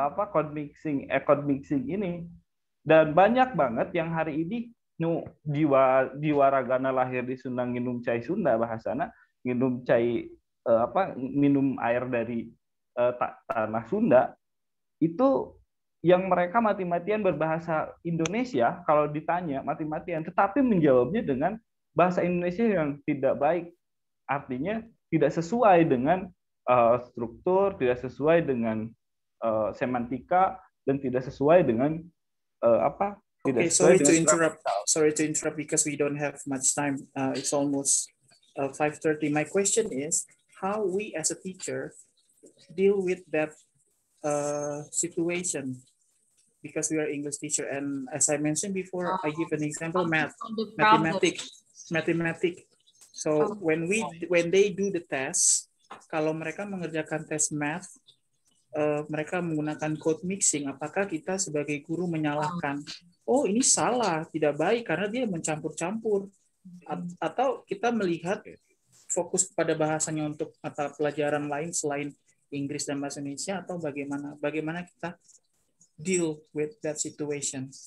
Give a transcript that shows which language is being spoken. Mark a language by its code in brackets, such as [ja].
[id] Code mixing ini. Dan banyak banget yang hari ini [su] nu jiwa ragana lahir di Sunda, nginum cai [id] Sunda bahasana, nginum cai minum air dari tanah Sunda, itu yang mereka mati-matian berbahasa Indonesia kalau ditanya mati-matian, tetapi menjawabnya dengan bahasa Indonesia yang tidak baik. Artinya tidak sesuai dengan struktur, tidak sesuai dengan semantika, dan tidak sesuai dengan [en] Okay, sorry to interrupt. Sorry to interrupt because we don't have much time. It's almost 5:30. My question is, how we as a teacher deal with that situation? Because we are English teacher, and as I mentioned before, I give an example: mathematics. So when they do the test, [id] kalau mereka mengerjakan tes math, mereka menggunakan code mixing, apakah kita sebagai guru menyalahkan, ini salah, tidak baik karena dia mencampur-campur, atau kita melihat fokus pada bahasanya untuk mata pelajaran lain selain Inggris dan Bahasa Indonesia, atau bagaimana kita [en] deal with that situation?